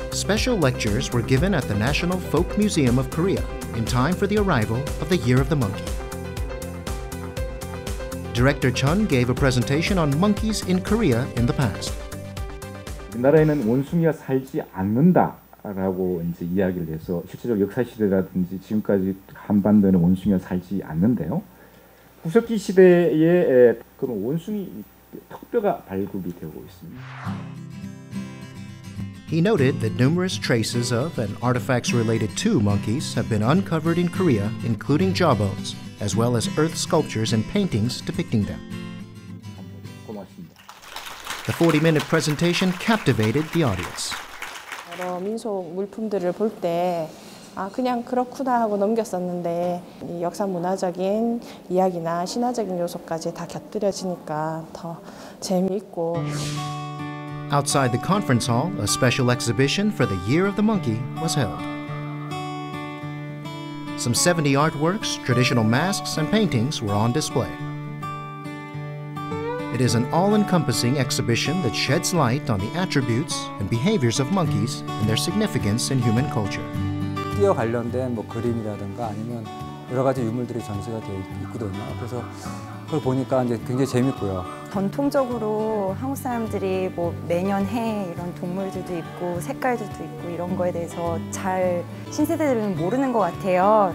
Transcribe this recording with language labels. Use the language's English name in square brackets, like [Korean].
[English] special lectures were given at the National Folk Museum of Korea in time for the arrival of the Year of the Monkey. Director Chun gave a presentation on monkeys in Korea in the past. [Korean] 우리나라에는 원숭이가 살지 않는다라고 이제 이야기를 해서 실제로 역사 시대라든지 지금까지 한반도에는 원숭이가 살지 않는데요. 후석기 시대에 그런 원숭이 턱뼈가 발굴이 되고 있습니다. [English] He noted that numerous traces of and artifacts related to monkeys have been uncovered in Korea, including jawbones, as well as earth sculptures and paintings depicting them. [Korean] 고맙습니다. [English] The 40-minute presentation captivated the audience. [Korean] 여러 민속 물품들을 볼 때 아 그냥 그렇구나 하고 넘겼었는데 이 역사 문화적인 이야기나 신화적인 요소까지 다 곁들여지니까 더 재미있고. [English] Outside the conference hall, a special exhibition for the Year of the Monkey was held. Some 70 artworks, traditional masks, and paintings were on display. It is an all-encompassing exhibition that sheds light on the attributes and behaviors of monkeys and their significance in human culture. [Korean] 띠와 관련된 뭐 그림이라든가 아니면 여러 가지 유물들이 전시가 되어 있거든요. 그래서 그걸 보니까 이제 굉장히 재밌고요. 전통적으로 한국 사람들이 뭐 매년 해 이런 동물들도 있고 색깔들도 있고 이런 거에 대해서 잘 신세대들은 모르는 것 같아요.